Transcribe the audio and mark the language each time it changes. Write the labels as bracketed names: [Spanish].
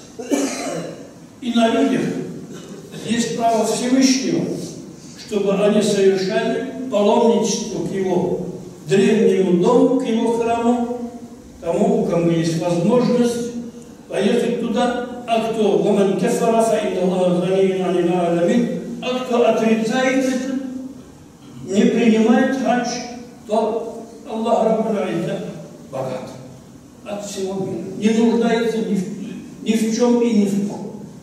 [Russian] И на людях есть право Всевышнего, чтобы они совершали паломничество к его древнему дому, к его храму, тому, у кого есть возможность поехать туда. А кто [Arabic] «وَمَنْ كَفَرَ فَإِنَّ اللَّهَ غَنِيٌّ عَنِ الْعَالَمِينَ». [Russian] А кто отрицает это, не принимает хадж, то Аллах Раббул Аля богат от всего мира, не нуждается ни в чем и ни в ком.